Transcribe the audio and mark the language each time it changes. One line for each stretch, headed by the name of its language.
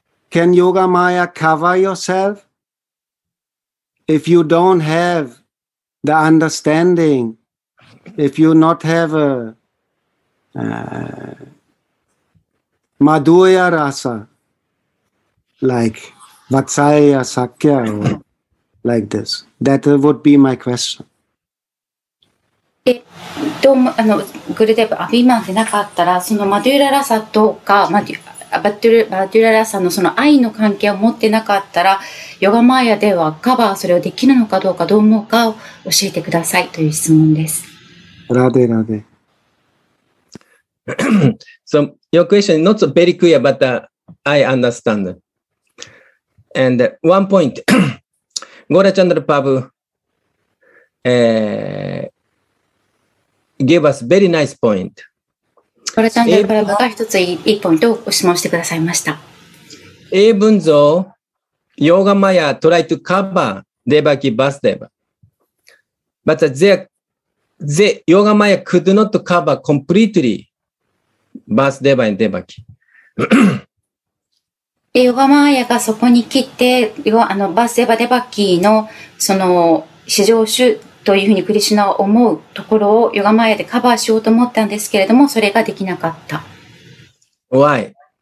English: Can Yoga Maya cover yourself if you don't have the understanding, if you not have a Madhurya rasa, like Vatsalya Sakya, or like this. That would be my question.
Japanese: Gurudev Abhiman でなかったら、そのマドゥーラ ラサとか、マドゥーラ ラサのその愛の関係を持ってなかったら、ヨガマヤではカバーそれをできるのかどうか、どう思うかを教えてくださいという質問です。ラデラデ。
English: So your question is not so very clear, but I understand. And one point, Gaurachandra Prabhu gave us very nice point.
Japanese: Gaurachandra Prabhu が一つ一ポイントを質問してくださいました。
English: Even though Yoga Maya tried to cover Devaki Vasudeva, but the Yoga Maya could not cover completely.
Japanese: バスデバイデバキ。で、ヨガマーヤがそこに来て、バスデバデバキのその至上主というふうにクリシュナは思うところをヨガマーヤでカバーしようと思ったんですけれども、それができなかった。
English: Why?